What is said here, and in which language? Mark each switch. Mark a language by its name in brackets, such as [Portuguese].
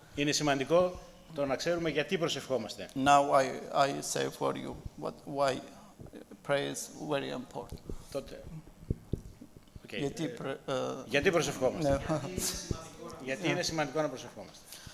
[Greek] Είναι σημαντικό το να ξέρουμε γιατί προσευχόμαστε. [English] Now I say for you why pray is very important. [Greek] Τότε. Okay. Γιατί, γιατί προσευχόμαστε. Yeah. Γιατί είναι σημαντικό να προσευχόμαστε.